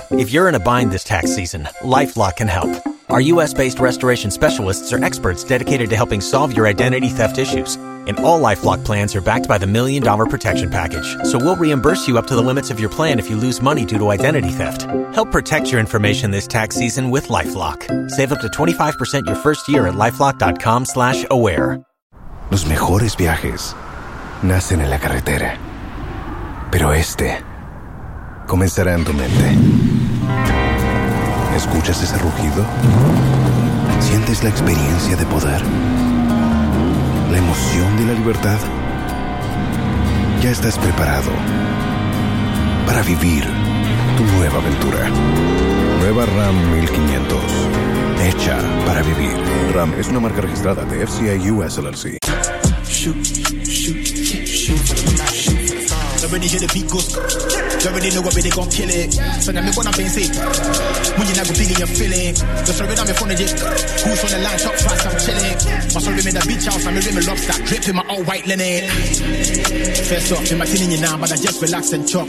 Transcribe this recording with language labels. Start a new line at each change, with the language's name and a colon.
English: If you're in a bind this tax season, LifeLock can help. Our U.S.-based restoration specialists are experts dedicated to helping solve your identity theft issues. And all LifeLock plans are backed by the $1 Million Protection Package. So we'll reimburse you up to the limits of your plan if you lose money due to identity theft. Help protect your information this tax season with LifeLock. Save up to 25% your first year at LifeLock.com/aware.
Spanish: Los mejores viajes nacen en la carretera, pero este comenzará en tu mente. ¿Escuchas ese rugido? ¿Sientes la experiencia de poder? ¿La emoción de la libertad? ¿Ya estás preparado para vivir tu nueva aventura. Nueva Ram 1500. Hecha para vivir. Ram es una marca registrada de FCA US LLC.
English: Already hear the beat goes. You already know where they gon' kill it. So now me wanna be safe. When you never feeling your feeling. Just already on me front of this. Who's on the line? Shop fast, I'm chilling. My soul remain the beach house. I'm a rim of lobster. Dripping my old white linen. First off, you're my thing in your now, but I just relax and talk.